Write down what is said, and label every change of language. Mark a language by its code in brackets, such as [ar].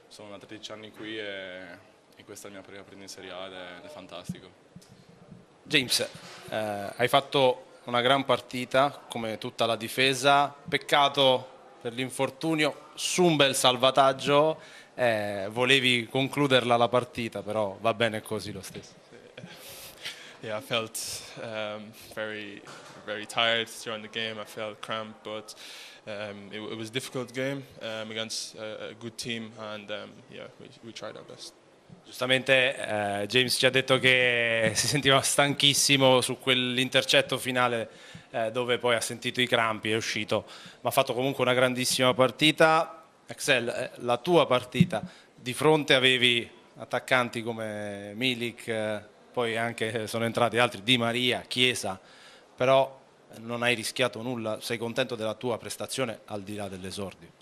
[it] Sono da 13 anni qui e questa è la mia prima presenza in Serie A ed è fantastico. James, hai fatto una gran partita come tutta la difesa. Peccato per l'infortunio su un bel salvataggio. Volevi concluderla la partita, però va bene così lo stesso. [en] Yeah, I felt very, very tired during the game. I felt cramped, but it was a difficult game against a good team, and yeah, we tried our best. [it] Giustamente, James ci ha detto che si sentiva stanchissimo su quell'intercetto finale, dove poi ha sentito i crampi, è uscito, ma ha fatto comunque una grandissima partita. Axel, la tua partita, di fronte avevi attaccanti come Milik, poi anche sono entrati altri, Di Maria, Chiesa, però non hai rischiato nulla, sei contento della tua prestazione al di là dell'esordio?